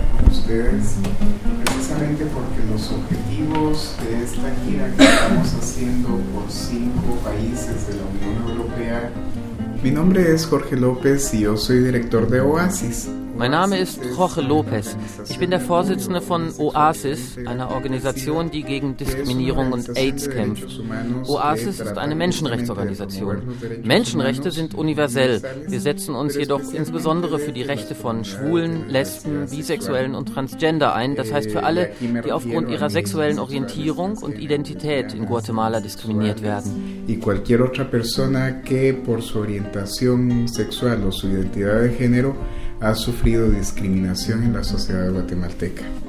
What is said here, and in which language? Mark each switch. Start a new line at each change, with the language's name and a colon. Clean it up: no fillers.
Spanish: ustedes precisamente porque los objetivos de esta gira que estamos haciendo por 5 países de la Unión Europea. Mi nombre es Jorge López y yo soy director de Oasis.
German: Mein Name ist Jorge López. Ich bin der Vorsitzende von Oasis, einer Organisation, die gegen Diskriminierung und AIDS kämpft. Oasis ist eine Menschenrechtsorganisation. Menschenrechte sind universell. Wir setzen uns jedoch insbesondere für die Rechte von Schwulen, Lesben, Bisexuellen und Transgender ein, das heißt für alle, die aufgrund ihrer sexuellen Orientierung und Identität in Guatemala diskriminiert werden.
Spanish: Y cualquier otra persona que por su orientación sexual o su identidad de género ha sufrido discriminación en la sociedad guatemalteca.